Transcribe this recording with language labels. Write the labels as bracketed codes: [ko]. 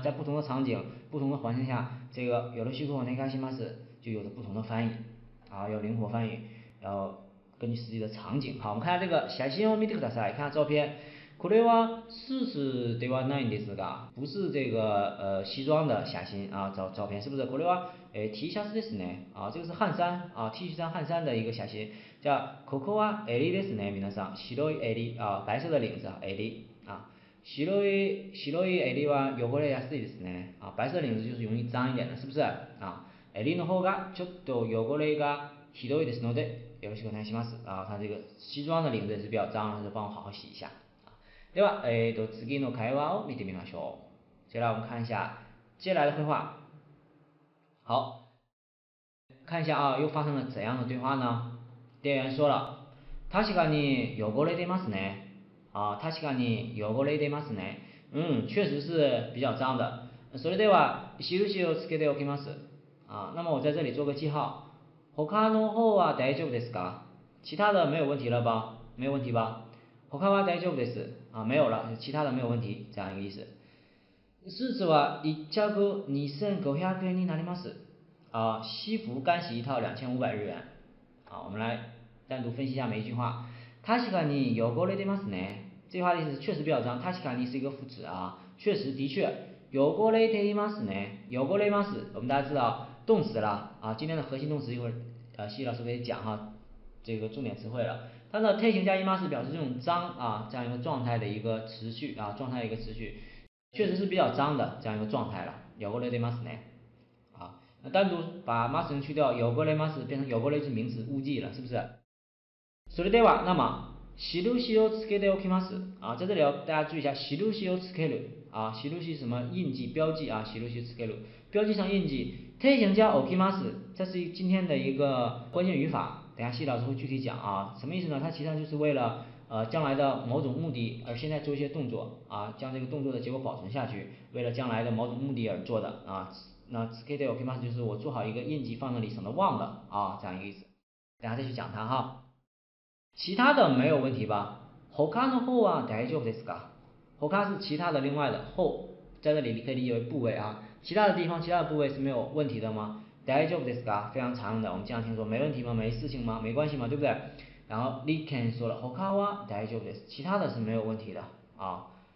[zh] 在不同的场景、不同的环境下，这个 [ja] よろしくお願いします [zh] 就有着不同的翻译啊，要灵活翻译，然后根据实际的场景。好，我们看下这个 [ja] 写信を見てください， [zh] 看下照片。 [ja] これはスーツではないんですが， [zh] 不是这个西装的写真啊，照片是不是？ [ja] これは T シャツですね [zh] 啊，这个是汗衫啊 ，T 恤衫汗衫的一个写真。 [ja] 叫ここは襟ですね，皆さん。 [zh] 白い襟啊，白色的领子襟啊。 [ja] 白い襟は汚れやすいですね [zh] 啊，白色领子就是容易脏一点的，是不是啊？ [ja] 襟の方がちょっと汚れがひどいですので、よろしくお願いします啊。 [zh] 他这个西装的领子也是比较脏，他就帮我好好洗一下。 [ja] では、次の会話を見てみましょう。 [zh] 接下来我们看一下接下来的会话。好，看一下啊，又发生了怎样的对话呢？店员说了， [ja] 確かに汚れてますね。 [zh] 啊， [ja] 確かに汚れてますね。 [zh] 嗯，确实是比较脏的。 [ja] それでは印をつけておきます。 [zh] 啊，那么我在这里做个记号。 [ja] 他の方は大丈夫ですか？ [zh] 其他的没有问题了吧？没有问题吧？ [ja] 他は大丈夫です。 [zh] 啊，没有了，其他的没有问题，这样一个意思。 [ja] スーツは一着2500円になります。 [zh] 啊，西服干洗一套2500日元。好，我们来单独分析一下每一句话。 [ja] 確かに汚れてますね。 [zh] 这句话的意思确实比较脏。確かに是一个副词啊，确实的确。 [ja] 汚れていますね。汚れます。 [zh] 我们大家知道动词了啊，今天的核心动词一会儿西老师给你讲哈，这个重点词汇了。它的 te 形加 imas 表示这种脏啊，这样一个状态的一个持续啊，状态的一个持续。确实是比较脏的这样一个状态了。 [ja] 汚れてますね。 [zh] 啊，那单独把ます去掉，汚れます变成汚れ是名词，污迹了，是不是？ [ja] それでは、 [zh] 那么 [ja] 印をつけておきます。 [zh] 啊，在这里要大家注意一下， [ja] 印をつける。 [zh] 啊，印是什么？印记、标记啊。 [ja] 印をつける， [zh] 标记上印记。提醒加おきます，这是今天的一个关键语法。等一下细老师会具体讲啊，什么意思呢？它其实就是为了将来的某种目的而现在做一些动作啊，将这个动作的结果保存下去，为了将来的某种目的而做的啊。那 [ja] つけておきます [zh] 就是我做好一个印记放那里，省得忘了啊，这样一个意思。等下再去讲它哈。其他的没有问题吧？ [ja] 他の方は大丈夫ですか？ [zh] 他是其他的另外的，后在这里你可以理解为部位啊，其他的地方其他的部位是没有问题的吗？ [ja] 大丈夫ですか？ [zh] 非常常用的，我们经常听说没问题吗？没事情吗？没关系吗？对不对？然后立憲说了， [ja] 他は大丈夫です， [zh] 其他的是没有问题的啊。